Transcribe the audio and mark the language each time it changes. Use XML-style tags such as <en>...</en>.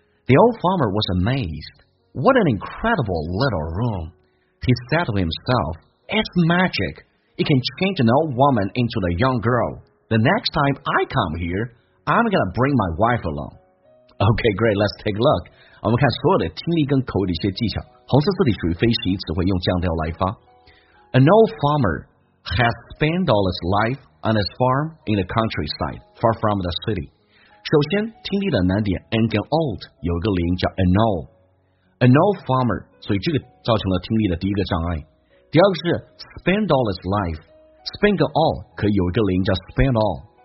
<en>The old farmer was amazed. What an incredible little room. He said to himself, it's magic. It can change an old woman into a young girl. The next time I come here, I'm going to bring my wife along. Okay, great, let's take a look.</en> <zh>我们看所有的听力跟口语的一些技巧，红色字体属于非习词汇，用降调来发。</zh> <en>An old farmer has spent all his life on his farm in the countryside, far from the city.</en> <zh>首先，听力的难点 ，and 跟 old 有一个连音叫 an old。 An old farmer， 所以这个造成了听力的第一个障碍。第二个是</zh> <en>spend all his life，</en> <zh>spend 跟 all 可以有一个连音叫 spend all。</zh>